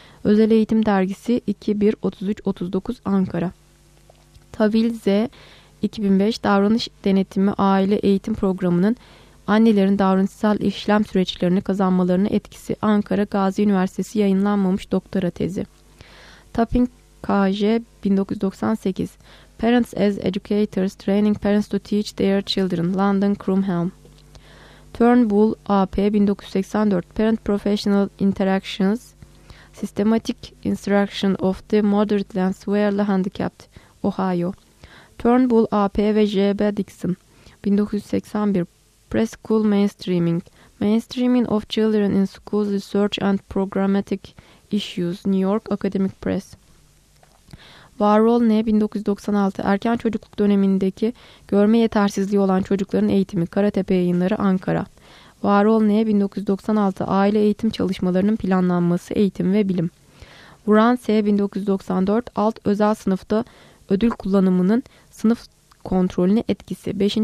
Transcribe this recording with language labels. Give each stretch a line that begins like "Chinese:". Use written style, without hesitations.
Turkish: Özel Eğitim Dergisi 2-1-33-39 Ankara. Tavil Z. 2005 Davranış Denetimi Aile Eğitim Programı'nın annelerin davranışsal işlem süreçlerini kazanmalarına etkisi. Ankara Gazi Üniversitesi yayınlanmamış doktora tezi.
English: Tapping K.J. 1998 Parents as Educators, Training Parents to Teach Their Children, London, Crumhelm. Turnbull, AP, 1984, Parent Professional Interactions, Systematic Instruction of the Moderately and Severely Handicapped, Ohio. Turnbull, AP ve J.B. Dixon, 1981, Preschool Mainstreaming, Mainstreaming of Children in Schools Research and Programmatic Issues, New York Academic Press.
Turkish: Varol N. 1996 Erken Çocukluk Dönemindeki Görme Yetersizliği Olan Çocukların Eğitimi Karatepe Yayınları Ankara Varol N. 1996 Aile Eğitim Çalışmalarının Planlanması Eğitim ve Bilim Vuran S. 1994 Alt Özel Sınıfta Ödül Kullanımının Sınıf Kontrolüne Etkisi 5.